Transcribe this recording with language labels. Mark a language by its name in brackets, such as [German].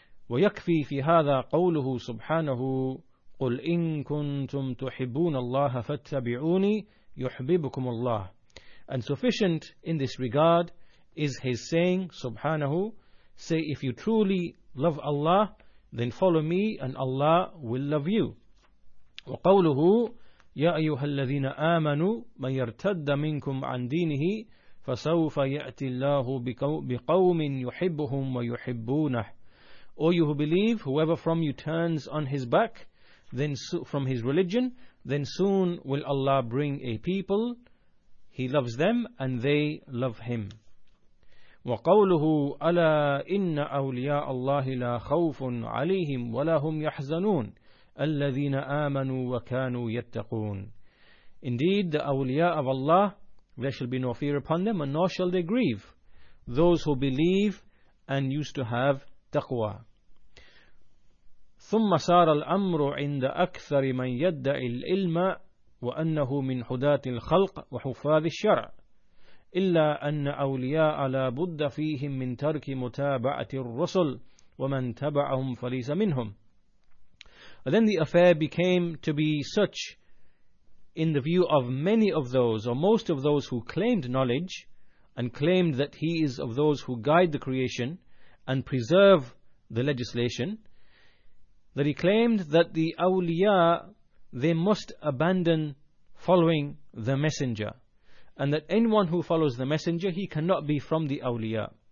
[Arabic] وَيَكْفِي فِي هَذَا قَوْلُهُ سُبْحَانَهُ قُلْ إِن كُنْتُمْ تُحِبُّونَ اللَّهَ فَاتَّبِعُونِي يُحْبِبُكُمُ اللَّهُ. [English] And sufficient in this regard is his saying, Subhanahu, say, if you truly love Allah, then follow me and Allah will love you. [Arabic] وقوله يا أيها الذين آمنوا من يرتد منكم عن دينه فسوف يأتي الله بقوم يحبهم ويحبونه. [English] O you who believe, whoever from you turns on his back, then from his religion, then soon will Allah bring a people. He loves them and they love him. [Arabic] وقوله ألا إن أولياء الله لا خوف عليهم ولا هم يحزنون الذين آمنوا وكانوا يتقون. [English] Indeed, the awliya of Allah, there shall be no fear upon them and nor shall they grieve. Those who believe and used to have taqwa. [Arabic] ثم صار الأمر عند أكثر من يدعي العلم وأنه من حداة الخلق وحفاظ الشرع إلا أن أولياء لا بد فيهم من ترك متابعة الرسل ومن تبعهم فليس منهم. [English] And then the affair became to be such in the view of many of those, or most of those who claimed knowledge and claimed that he is of those who guide the creation and preserve the legislation, that he claimed that the awliya, they must abandon following the messenger, and that anyone who follows the messenger, he cannot be from the awliya.